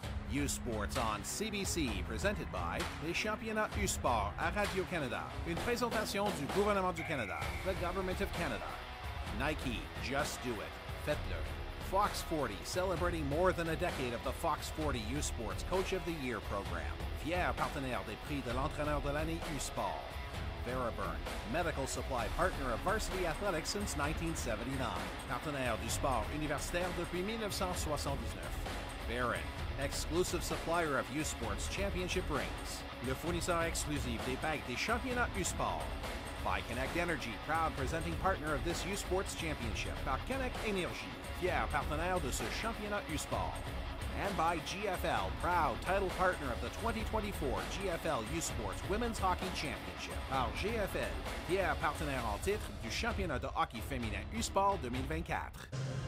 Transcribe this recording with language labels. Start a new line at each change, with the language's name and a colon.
English: U Sports on CBC, presented by
French: Les Championnats U Sport à Radio-Canada. Une présentation du gouvernement du Canada,
English: the Government of Canada. Nike, just do it.
French: Faites-le.
English: Fox 40, celebrating more than a decade of the Fox 40 U Sports Coach of the Year program.
French: Pierre, partenaire des prix de l'entraîneur de l'année U-Sport.
English: Veriburn, medical supply partner of Varsity Athletics since 1979.
French: Partenaire du sport universitaire depuis 1979.
English: Baron, exclusive supplier of U-Sports championship rings.
French: Le fournisseur exclusif des bagues des championnats U-Sport.
English: By Connect Energy, proud presenting partner of this U-Sports championship.
French: Par Connect Energy, Pierre, partenaire de ce championnat U-Sport.
English: and by GFL, proud title partner of the 2024 GFL U Sports Women's Hockey Championship.
French: Par GFL, fier partenaire en titre du championnat de hockey féminin U Sport 2024.